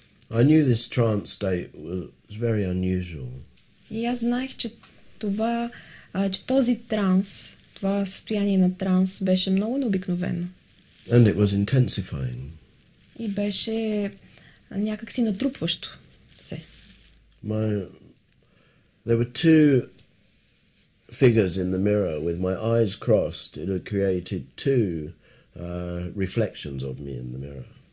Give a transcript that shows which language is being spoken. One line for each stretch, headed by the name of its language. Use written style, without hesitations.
English: I knew this trance state was very unusual.
Bulgarian: И аз знаех, че това, че този транс, това състояние на транс беше много необикновено.
English: And it was intensifying.
Bulgarian: И беше някак си натрупващо се.
English: There were two figures in the mirror with my eyes crossed. It had created two reflections of me in the mirror.